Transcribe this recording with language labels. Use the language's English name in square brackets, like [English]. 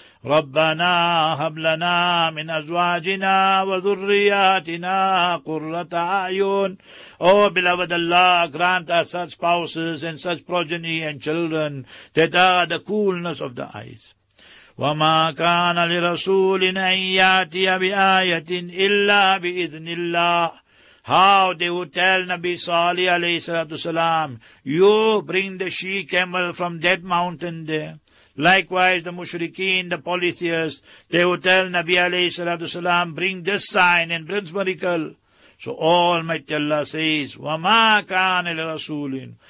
[Arabic] ربنا هب لنا من ازواجنا وذرياتنا قرة اعين. [English] Oh beloved Allah, grant us such spouses and such progeny and children that are the coolness of the eyes. [Arabic] وما كان لرسول ان ياتي بايه الا باذن الله. [English] How they would tell Nabi Salih alayhi salatu salam, you bring the she camel from that mountain there. Likewise, the mushrikeen, the polytheists, they would tell Nabi alayhi salatu salam, bring this sign and bring this miracle. So Almighty Allah says, [Arabic] wa ma kana li rasulin.